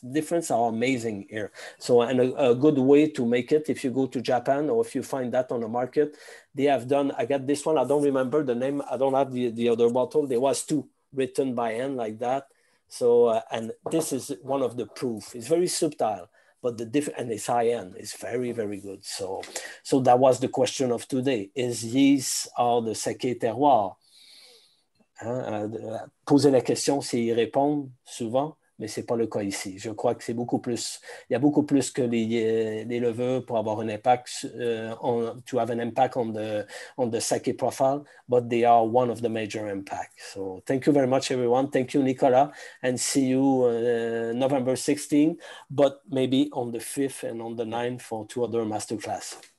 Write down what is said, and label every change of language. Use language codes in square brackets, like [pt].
[en] Difference are amazing here. So, and a good way to make it, if you go to Japan or if you find that on the market, they have done, I got this one, I don't remember the name, I don't have the other bottle. There was two written by hand like that. So, and this is one of the proof. It's very subtle, but the difference, and it's high end, it's very, very good. So that was the question of today. Is yeast or the sake terroir? [fr] Poser la question, c'est y répondre souvent, mais c'est pas le cas ici. Je crois que c'est beaucoup plus. Il y a beaucoup plus que les levures pour avoir un impact. [en] To have an impact on the sake profile, but they are one of the major impacts. So thank you very much, everyone. Thank you, Nicolas, and see you November 16th, but maybe on the 5th and on the 9th for two other masterclass.